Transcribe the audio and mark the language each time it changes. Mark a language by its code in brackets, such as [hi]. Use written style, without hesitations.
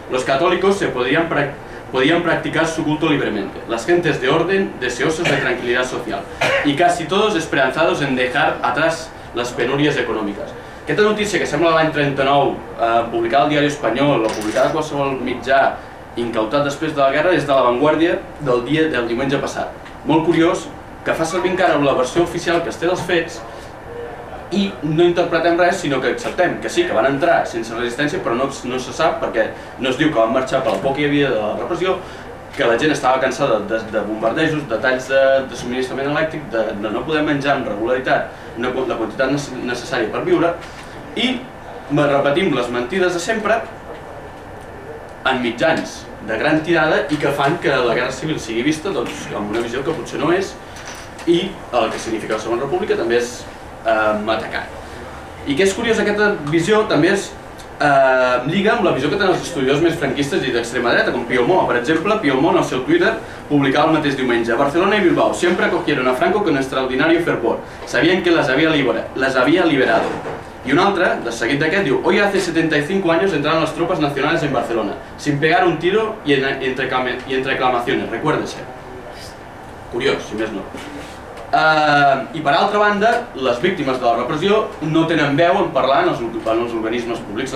[es] Los católicos podían practicar su culto libremente, las gentes de orden deseosos de tranquilidad social, y casi todos esperanzados en dejar atrás las penurias económicas. [ca] Aquesta notícia, que sembla l'any 39, publicada al Diari Espanyol o publicada a qualsevol mitjà incautat després de la guerra, és de La Vanguardia del dia del diumenge passat. Molt curiós que fa servir encara la versió oficial que es té dels fets i no interpretem res, sinó que acceptem que sí, que van entrar sense resistència, però no se sap perquè no es diu que van marxar pel poc que hi havia de la repressió, que la gent estava cansada de bombardejos, de talls de subministrament elèctric, de no poder menjar amb regularitat la quantitat necessària per viure, i repetim les mentides de sempre en mitjans de gran tirada i que fan que la Guerra Civil sigui vista doncs, amb una visió que potser no és, i el que significa la Segona República també és atacar. I que és curiós, aquesta visió també és lliga amb la visió que tenen els estudiosos més franquistes i d'extrema dreta, com Pío Moa. Per exemple, Pío Moa en el seu Twitter publicava el mateix diumenge: [es] Barcelona i Bilbao sempre acogieron a Franco con extraordinario fervor, sabían que las había liberado. [ca] I un altre, de seguit d'aquest, diu: [es] hoy hace 75 años entraron las tropas nacionales en Barcelona, sin pegar un tiro y entre aclamaciones, recuérdese. [ca] Curiós, si més no. I per altra banda, les víctimes de la repressió no tenen veu en parlar en els organismes públics.